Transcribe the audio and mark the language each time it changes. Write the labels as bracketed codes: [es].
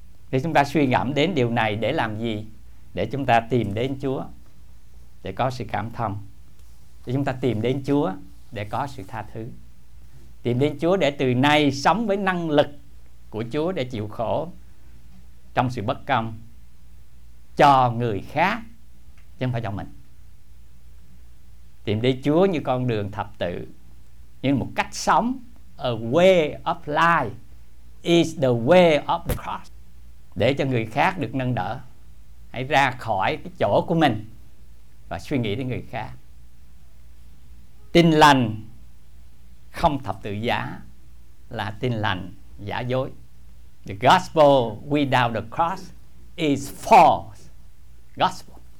[vi] Thì chúng ta suy ngẫm đến điều này để làm gì? Để chúng ta tìm đến Chúa để có sự cảm thông, để chúng ta tìm đến Chúa để có sự tha thứ, tìm đến Chúa để từ nay sống với năng lực của Chúa để chịu khổ trong sự bất công cho người khác chứ không phải cho mình. Tìm đến Chúa như con đường thập tự, như một cách sống. [en] A way of life is the way of the cross. [vi] Để cho người khác được nâng đỡ, hãy ra khỏi cái chỗ của mình và suy nghĩ đến người khác. Tin lành không thập tự giá là tin lành giả dối. [en] The gospel without the cross is false gospel.